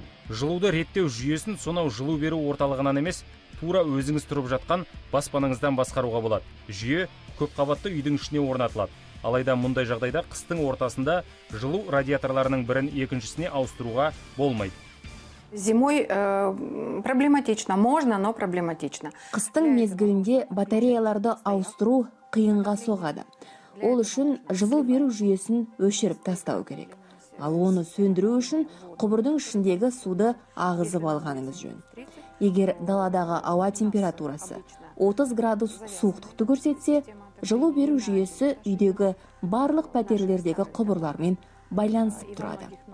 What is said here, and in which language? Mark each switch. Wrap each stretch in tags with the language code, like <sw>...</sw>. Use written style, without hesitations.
<kk>Жылуды реттеу жүйесін сонау жылу беру орталығынан емес, тура өзіңіз тұрып жатқан баспаныңыздан басқаруға болады. Жүйе көпқабатты үйдің ішіне орнатылады. Алайда мұндай жағдайда қыстың ортасында жылу радиаторларының бірін екіншісіне ауыстыруға болмайды.</kk> <ru>Зимой проблематично, можно, но проблематично.</ru> <kk>Қыстың мезгілінде батареяларды ауыстыру қиынға соғады. Ол үшін жылу беру жүйесін өшіріп тастау керек. Ал оны сөндіру үшін құбырдың ішіндегі суды ағызып алғаныңыз жөн. Егер даладағы ауа температурасы 30 градус суықтықты көрсетсе, жылу беру жүйесі үйдегі барлық пәтерлердегі құбырлармен байланысып тұрады.</kk>